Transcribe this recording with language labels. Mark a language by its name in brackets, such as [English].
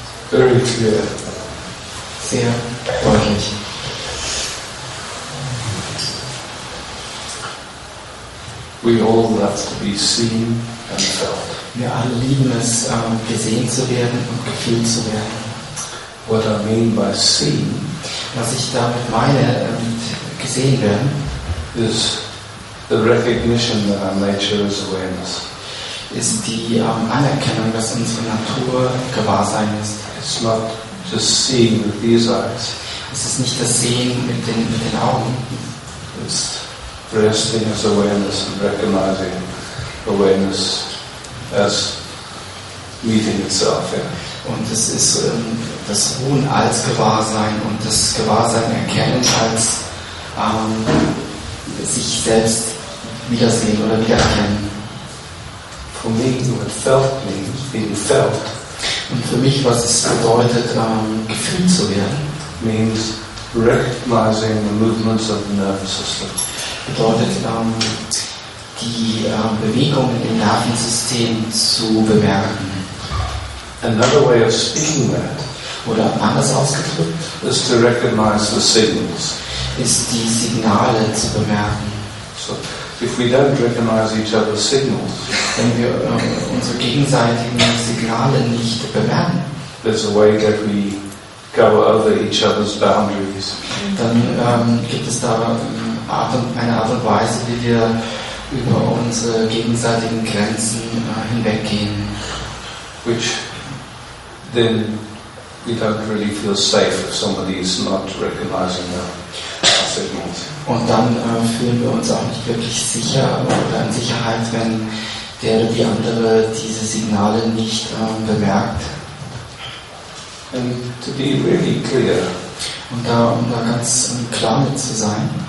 [English] Very clear. [German] Sehr deutlich. [English] We all love to be seen and felt. [German] Wir alle lieben es, gesehen zu werden und gefühlt zu werden. [English] What I mean by seen, [German] was ich damit meine, gesehen werden, [English] is the recognition that our nature is awareness. [German] Ist die Anerkennung, dass unsere Natur Gewahrsein ist. [English] It's not just seeing with these eyes. [German] Es ist nicht das Sehen mit den Augen. [English] It's resting as awareness and recognizing awareness as meeting itself. Yeah. [German] Und es ist das Ruhen als Gewahrsein und das Gewahrsein erkennen als sich selbst wiedersehen oder wiedererkennen. [English] For me, what felt means being felt. [German] Und für mich, was es bedeutet, gefühlt zu werden, [English] means recognizing the movements of the nervous system. [German] Bedeutet, die Bewegungen im Nervensystem zu bemerken. [English] Another way of speaking that, [German] oder anders ausgedrückt, [English] is to recognize the signals. [German] Ist die Signale zu bemerken. [English] So, if we don't recognize each other's signals, [German] wenn wir unsere gegenseitigen Signale nicht bemerken, [English] there's a way that we go over each other's boundaries. [German] Dann gibt es da eine Art und Weise, wie wir über unsere gegenseitigen Grenzen hinweggehen, [English] which then we don't really feel safe if somebody is not recognizing them. [German] Und dann fühlen wir uns auch nicht wirklich sicher oder in Sicherheit, wenn der oder die andere diese Signale nicht bemerkt. [English] And to be really clear, [German] und da, um da ganz klar mit zu sein,